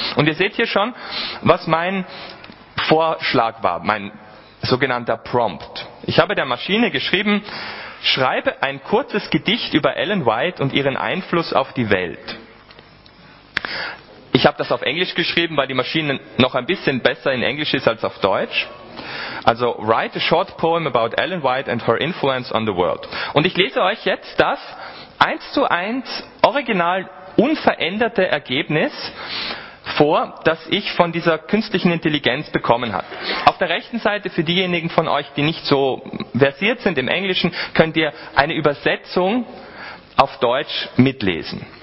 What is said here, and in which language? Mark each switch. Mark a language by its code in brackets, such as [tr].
[de] Und ihr seht hier schon, was mein Vorschlag war, mein sogenannter Prompt. Ich habe der Maschine geschrieben, schreibe ein kurzes Gedicht über Ellen White und ihren Einfluss auf die Welt. Ich habe das auf Englisch geschrieben, weil die Maschine noch ein bisschen besser in Englisch ist als auf Deutsch. [en] Also, write a short poem about Ellen White and her influence on the world. [de] Und ich lese euch jetzt das 1:1 original unveränderte Ergebnis vor, das ich von dieser künstlichen Intelligenz bekommen habe. Auf der rechten Seite, für diejenigen von euch, die nicht so versiert sind im Englischen, könnt ihr eine Übersetzung auf Deutsch mitlesen.